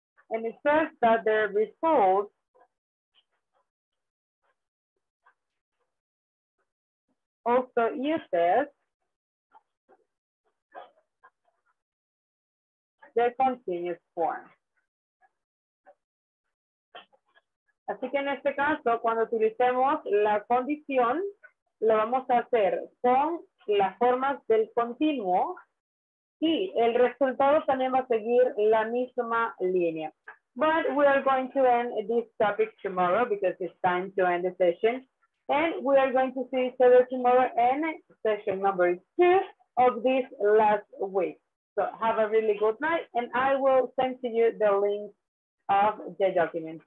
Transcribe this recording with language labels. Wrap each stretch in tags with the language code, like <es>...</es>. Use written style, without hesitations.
<en>And it says that the result also uses the continuous form.</en> <es>Así que en este caso, cuando utilicemos la condición, lo vamos a hacer con las formas del continuo. Y el resultado también va a seguir la misma línea.</es> <en>But we are going to end this topic tomorrow because it's time to end the session. And we are going to see each other tomorrow in session number 2 of this last week. So have a really good night and I will send to you the link of the document.</en>